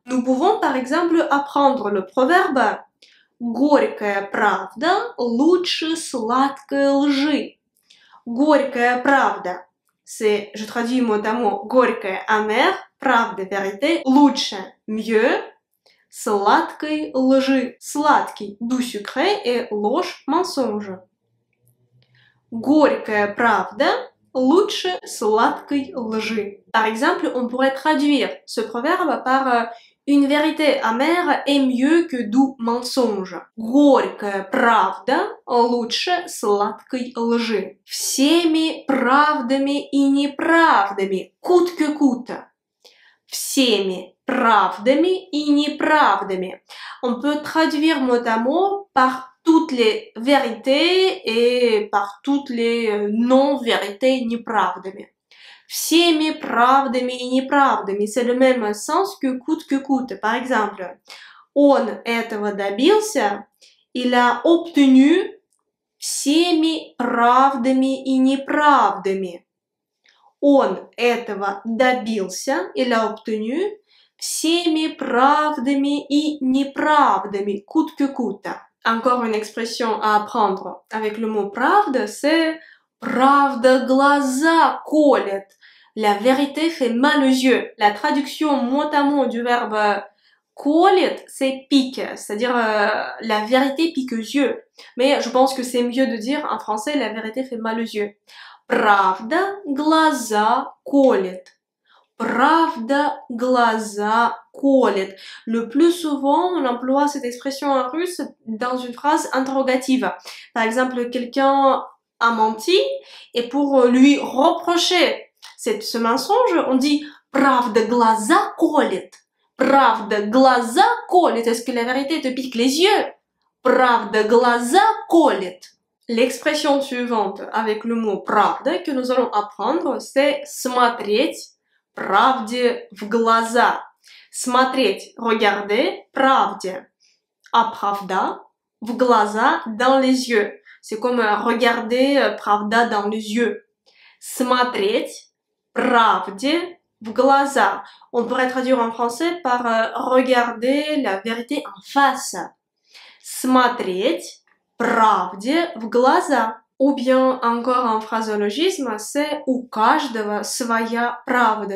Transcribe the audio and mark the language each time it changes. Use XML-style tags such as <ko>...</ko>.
<fr>Nous pouvons par exemple apprendre le proverbe</fr> <ru>горькая правда лучше сладкой лжи. Горькая правда.</ru> <fr>C'est, je traduis mot à mot, горькая, amer, правда, vérité, лучше, mieux,</fr> <ru>сладкой лжи.</ru> <fr>Сладкий, du sucré, et ложь, mensonge.</fr> <ru>Горькая правда лучше сладкой лжи.</ru> <fr>Par exemple, on pourrait traduire ce proverbe par une vérité amère est mieux que doux mensonge.</fr> <ru>Горькая правда лучше сладкой лжи. Всеми правдами и неправдами,</ru> <fr>coûte que coûte.</fr> <ru>Всеми правдами и неправдами.</ru> <fr>On peut traduire mot à mot par toutes les vérités et par toutes les non-vérités, неправдами.</fr> <ru>Всеми правдами и неправдами.</ru> <fr>C'est le même sens que coûte. Par exemple,</fr> <ru>он этого добился,</ru> <fr>il a obtenu</fr> <ru>всеми правдами и неправдами. Он этого добился,</ru> <fr>il a obtenu</fr> <ru>всеми правдами и неправдами.</ru> <fr>Coûte que coûte. Encore une expression à apprendre avec le mot правда, c'est</fr> <ru>правда глаза колет.</ru> <fr>La vérité fait mal aux yeux. La traduction mot à mot du verbe colit, c'est pique, c'est-à-dire la vérité pique aux yeux. Mais je pense que c'est mieux de dire en français la vérité fait mal aux yeux.</fr> <ru>Правда глаза колет. Правда глаза колет.</ru> <fr>Le plus souvent, on emploie cette expression en russe dans une phrase interrogative. Par exemple, quelqu'un a menti et pour lui reprocher ce mensonge, on dit</fr> <ru>«Правда глаза колет». «Правда глаза колет».</ru> <fr>Est-ce que la vérité te pique les yeux?</fr> <ru>«Правда глаза колет».</ru> <fr>L'expression suivante avec le mot «правда» que nous allons apprendre, c'est</fr> <ru>«смотреть правде в глаза». «Смотреть» – «regarder» – «правде».</ru> <fr>А «правда» –</fr> <ru>«в глаза»</ru> <fr>– «dans les yeux». C'est comme «regarder» – «правда» – «dans les yeux».</fr> <ru>смотреть правде в глаза.</ru> <fr>On pourrait traduire en français par regarder la vérité en face.</fr> <ru>Смотреть правде в глаза.</ru> <fr>Ou bien encore un phraseologisme, c'est</fr> <ru>у каждого своя правда.</ru>